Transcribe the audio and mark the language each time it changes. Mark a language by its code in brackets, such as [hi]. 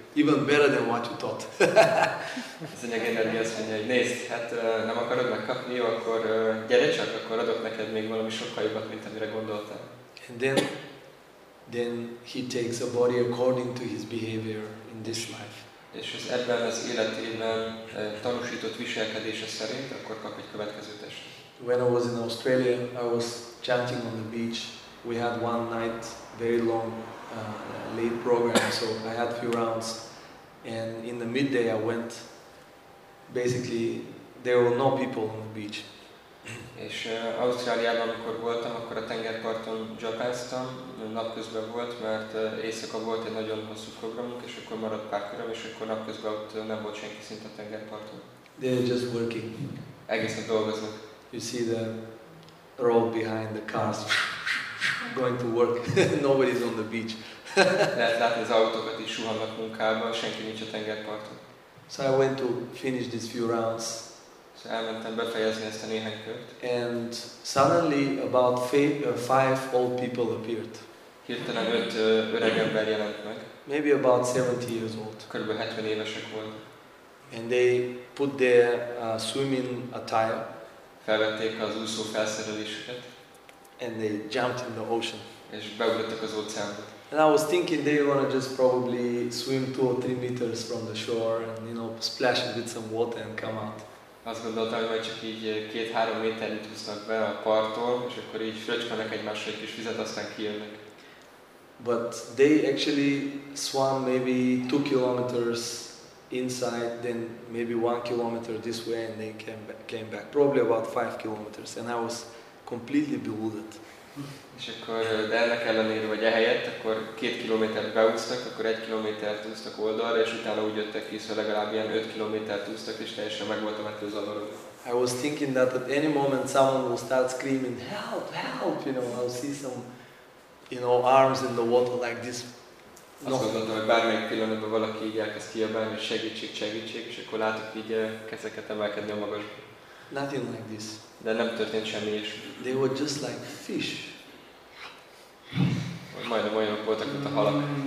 [en] Even better than what you thought. [hu] Ez a legenergia azt mondja, hogy nézd, hát nem akarod megkapni, jó, akkor gyere csak, akkor adok neked még valami sokkal jobbat, mint amire gondoltál. [en] And then he takes a body according to his behavior in this life. [hu] És az ebben az életében tanúsított viselkedése szerint, akkor kap egy következő test. [en] When I was in Australia, I was chanting on the beach. We had one night very long late program, so I had few rounds, and in the midday I went. Basically, there were no people on the beach. [hu] És Ausztráliában, amikor voltam, akkor a tengerparton japáztam, napközben volt, mert éjszaka volt egy nagyon hosszú programunk, és akkor maradt pár köröm, és akkor napközben ott nem volt senki szint a tengerparton. [en] They're just working. [hu] Egészen dolgoznak. [en] You see the road behind the cars. Going to work. Nobody's on the beach. [hu] Látni az autókat is suhannak munkába, senki nincs a tengerparton. [en] So I went to finish these few rounds. [hu] So elmentem befejezni ezt a néhány kört. [en] And suddenly about five old people appeared. [hu] Hirtelen öt öreg ember jelent meg. [en] Maybe about 70 years old. [hu] Körülbelül 70 évesek volt. [en] And they put their swimming attire. [hu] Felvették az úszó felszerelésüket. [en] And they jumped in the ocean. [hu] És beugrottak az óceánba. [en] And I was thinking they were gonna just probably swim 2 or 3 meters from the shore and, you know, splash a bit some water and come out. [hu] Azt gondoltam, hogy csak így 2-3 méterre húznak be a parttól, és akkor így fröcskönnek egymással egy kis vizet, aztán kijönnek. [en] But they actually swam maybe 2 kilometers inside, then maybe 1 kilometer this way, and they came back. Probably about 5 kilometers, and I was completely bewildered. [hu] És akkor, de ennek ellenére, vagy ehelyett, akkor 2 kilométert beúztak, akkor 1 kilométert úztak oldalra, és utána úgy jöttek ki, szóval legalább ilyen 5 kilométert úztak, és teljesen megvoltam ettől zavarodva. [en] I was thinking that at any moment someone will start screaming, help, help, you know, I'll see some, you know, arms in the water like this. No. [hu] Azt gondoltam, hogy bármelyik pillanatban valaki így elkezd kiabálni, hogy segítség, segítség, és akkor látok így kezeket emelkedni a magasba. [en] Nothing like this. [hu] De nem történt semmi is. [en] They were just like fish. [hu] Majdnem olyanok voltak, mint a halak.